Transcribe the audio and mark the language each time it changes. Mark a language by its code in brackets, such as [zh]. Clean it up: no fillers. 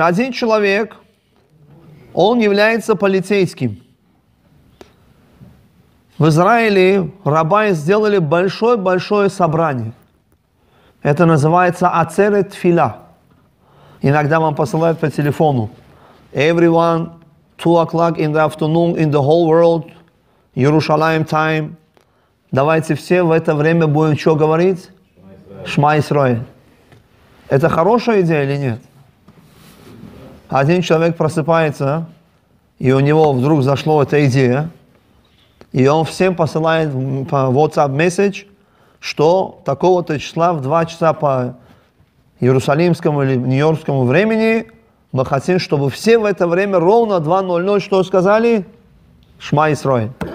[ru] Один человек, он является полицейским. В Израиле рабаи сделали большое-большое собрание. Это называется Ацерет Тфила. Иногда вам посылают по телефону. [en] Everyone, 2 o'clock in the afternoon in the whole world, Yerushalayim time. [ru] Давайте все в это время будем что говорить? Шма Исраэль. Это хорошая идея или нет? Один человек просыпается, и у него вдруг зашла эта идея, и он всем посылает по WhatsApp message, что такого-то числа в 2 часа по иерусалимскому или нью-йоркскому времени мы хотим, чтобы все в это время ровно 2:00 что сказали? Шма Исраэль.